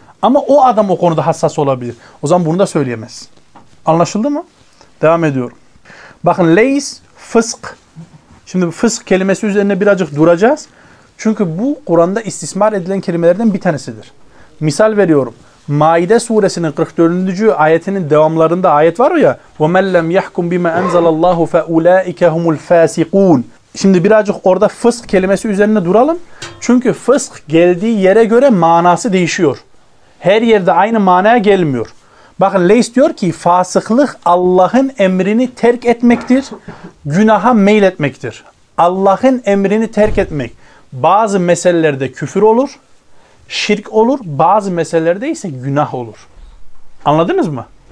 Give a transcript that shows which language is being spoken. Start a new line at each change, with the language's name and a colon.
Turkish: Ama o adam o konuda hassas olabilir. O zaman bunu da söyleyemez. Anlaşıldı mı? Devam ediyorum. Bakın leys, fısk. Şimdi fısk kelimesi üzerine birazcık duracağız. Çünkü bu Kur'an'da istismar edilen kelimelerden bir tanesidir. Misal veriyorum. Maide suresinin 44. ayetinin devamlarında ayet var ya.
Arabic: وَمَنْ لَمْ يَحْكُمْ بِمَا أَنْزَلَ اللّٰهُ فَاُولَٰئِكَ هُمُ الْفَاسِقُونَ
Turkish: Şimdi birazcık orada fısk kelimesi üzerine duralım. Çünkü fısk geldiği yere göre manası değişiyor. Her yerde aynı manaya gelmiyor. Bakın Leys diyor ki fasıklık Allah'ın emrini terk etmektir. Günaha meyletmektir. Allah'ın emrini terk etmek. Bazı meselelerde küfür olur, şirk olur, bazı meselelerde ise günah olur. Anladınız mı?